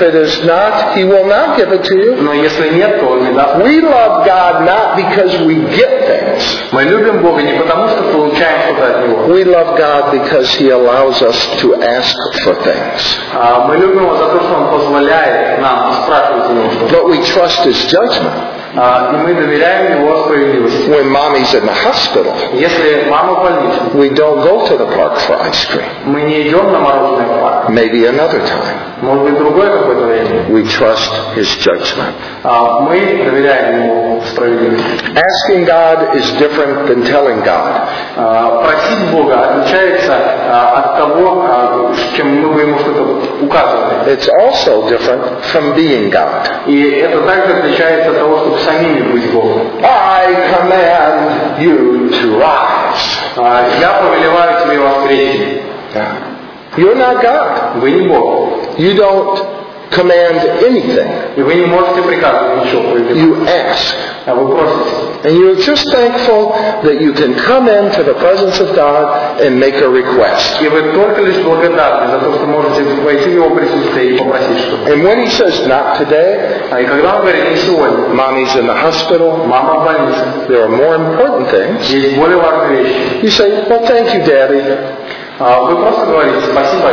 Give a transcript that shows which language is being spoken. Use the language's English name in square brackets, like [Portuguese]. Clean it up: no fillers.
[English] If it is not, He will not give it to you. [Russian] Но если нет, то Он не даст. [English] We love God not because we get things. [Russian] Мы любим Бога не потому, что получаем что-то от Него. [English] We love God because He allows us to ask for things. [Russian] Мы любим Его за то, что Он позволяет нам спрашивать у Него что-то. [English] But we trust His judgment. [Russian] И мы доверяем Его справедливости. [English] When mommy's in the hospital, [Russian] если мама в больнице, [English] we don't go to the park for ice cream. [Russian] Мы не идем на мороженое в парк. [English] Maybe another time. [Russian] Может быть, другое какое-то время. [English] We trust His judgment. [Russian] Мы доверяем Ему справедливости. [English] Asking God is different than telling God. [Russian] Просить Бога отличается от того, чем мы бы Ему что-то указывали. [English] It's also different from being God. [Russian] И это также отличается от того, [English] I command you to rise. [Russian] Я повелеваю тебе воскресить. [English] You're not God. [Russian] Вы не Бог. [English] You don't command anything. [Russian] Вы не можете приказывать ничего. [English] You ask. [Russian] А вы просите. [English] And you're just thankful that you can come into the presence of God and make a request. [Russian] И вы только лишь благодарны за то, что можете войти в Его присутствие и попросить что-то. [English] And when He says not today, [Russian] и когда Он говорит не сегодня, [English] mommy's in the hospital, [Russian] мама в больнице, [English] there are more important things. [Russian] Есть более важные вещи. [English] You say, well, thank you, Daddy. [Russian] Вы просто говорите, спасибо.